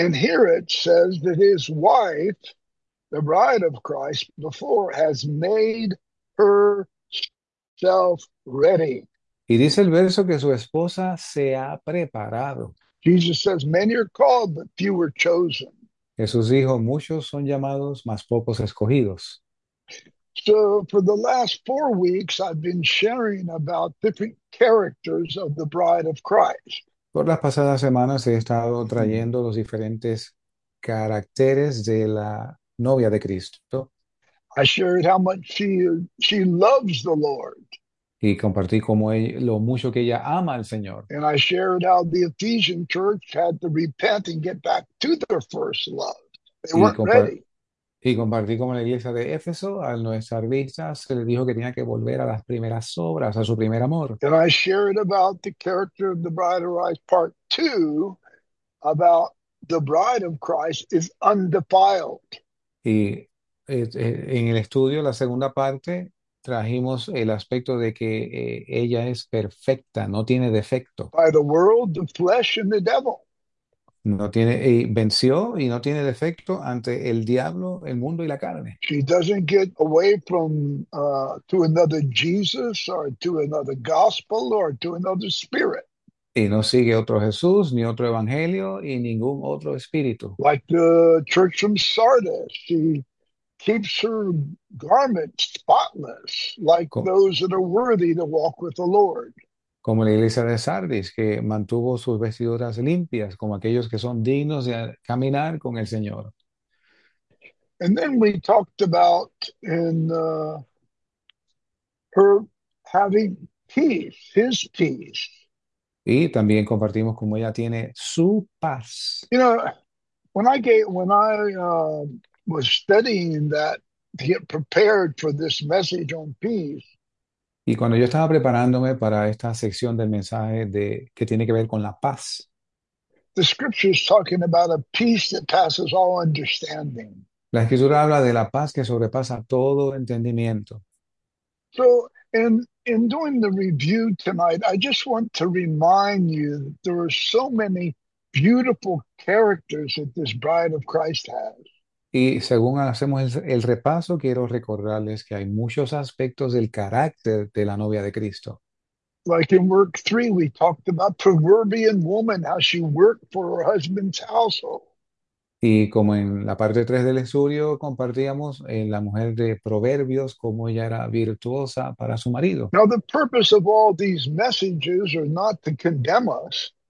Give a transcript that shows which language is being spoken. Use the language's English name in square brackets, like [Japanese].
[English] And here it says that his wife, the bride of Christ before, has made herself ready. [Spanish] Y dice el verso que su esposa se ha preparado. [English] Jesus says, many are called, but few are chosen. [Spanish] Jesús dijo: muchos son llamados, mas pocos escogidos. [English] So for the last 4 weeks, I've been sharing about different characters of the bride of Christ. [Spanish] Por las pasadas semanas he estado trayendo los diferentes caracteres de la novia de Cristo. [English] I shared how much she loves the Lord. [Spanish] Y compartí como ella, lo mucho que ella ama al Señor. [English] And I shared how the Ephesian church had to repent and get back to their first love. They [Spanish] Y [English] weren't ready. [Spanish] compartí como la iglesia de Éfeso, al no estar lista, se le dijo que tenía que volver a las primeras obras, a su primer amor. [English] And I shared about the character of the Bride of Christ, part two, about the Bride of Christ is undefiled. [Spanish] Y en el estudio, la segunda parte, trajimos el aspecto de que ella es perfecta, no tiene defecto. [English] By the world, the flesh, and the devil. [Spanish] No tiene y venció y no tiene defecto ante el diablo, el mundo y la carne. [English] She doesn't get away from to another Jesus or to another gospel or to another spirit. [Spanish] Y no sigue otro Jesús, ni otro evangelio, y ningún otro espíritu. [English] Like the church from Sardis, she keeps her garments spotless, like those that are worthy to walk with the Lord. [Spanish] Como la iglesia de Sardis, que mantuvo sus vestiduras limpias, como aquellos que son dignos de caminar con el Señor. [English] And then we talked about in her having peace, his peace. [Spanish] Y también compartimos cómo ella tiene su paz. [English] You know, when I was studying that to get prepared for this message on peace, [Spanish] Y cuando yo estaba preparándome para esta sección del mensaje de que tiene que ver con la paz, [English] the scripture is talking about a peace that passes all understanding. [Spanish] la escritura habla de la paz que sobrepasa todo entendimiento. [English] So, in doing the review tonight, I just want to remind you that there are so many beautiful characters that this bride of Christ has. [Spanish] Y según hacemos el repaso, quiero recordarles que hay muchos aspectos del carácter de la novia de Cristo. [English] Like in work three, we talked about proverbian woman, how she worked for her husband's household. [Spanish] Y como en la parte 3 del estudio compartíamos en la mujer de Proverbios, cómo ella era virtuosa para su marido. [English] Now, the purpose of all these messages are not to condemn us,